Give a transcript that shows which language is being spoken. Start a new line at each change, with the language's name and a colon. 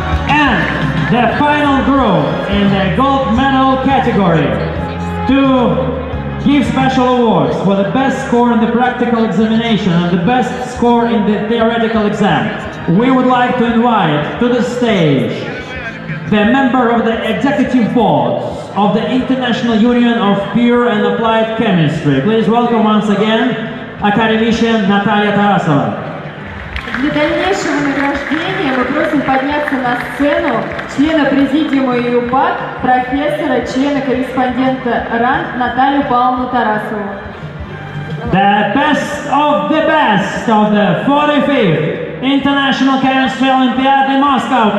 English: And the final group in the gold medal category to give special awards for the best score in the practical examination and the best score in the theoretical exam. We would like to invite to the stage the member of the executive board of the International Union of Pure and Applied Chemistry. Please welcome once again Academician Natalia Tarasova.
Russian: Для дальнейшего награждения мы просим подняться на сцену члена президиума ЕУПАД, профессора, члена-корреспондента РАН Наталью Павловну Тарасову.
English: The best of the 45th International Chemistry Olympiad in Moscow.